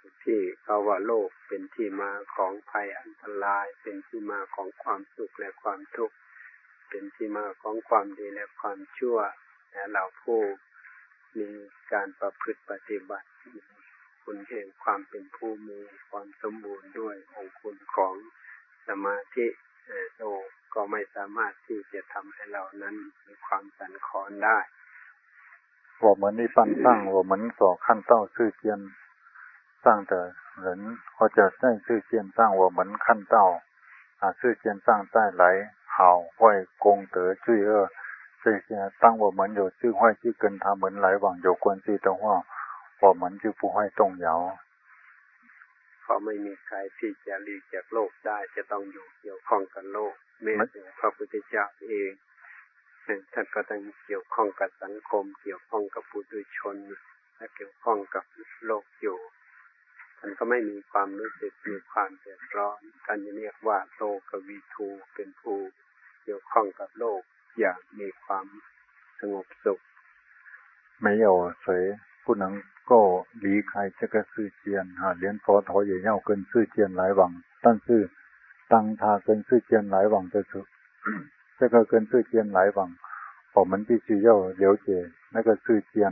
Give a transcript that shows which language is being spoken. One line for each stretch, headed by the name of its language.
Thai: ที่เขาว่าโลกเป็นที่มาของภัยอันตรายเป็นที่มาของความสุขและความทุกข์เป็นที่มาของความดีและความชั่วและเราผู้มีการประพฤติปฏิบัติคุณแห่งความเป็นผู้มีความสมบูรณ์ด้วยองค์คุณของสมาธิโลกก็ไม่สามารถที่จะทำให้เรานั้นมีความสั่นคลอนได้
Chinese: 我们一般上我们所看到世间上的人或者在世间上我们看到啊世间上带来好坏功德罪恶这些当我们有智慧去跟他们来往有关系的话我们就不会动摇
Thai: เพราะไม่มีใครที่จะหลีกจากโลกได้จะต้องอยู่เกี่ยวข้องกับโลกแม้พระพุทธเจ้าเองท่านก็ต้องเกี่ยวข้องกับสังคมเกี่ยวข้องกับปุถุชนและเกี่ยวข้องกับโลกอยู่ท่านก็ไม่มีความรู้สึกมีความเดือดร้อนท่านจะเรียกว่าโลกวีทูเป็นผู้เกี่ยวข้องกับโลกอย่างมีความสงบสุข
Chinese: ไม่有谁不能够离开这个世间哈，连佛陀也要跟世间来往。但是，当他跟世间来往的时候，这个跟世间来往，我们必须要了解那个世间。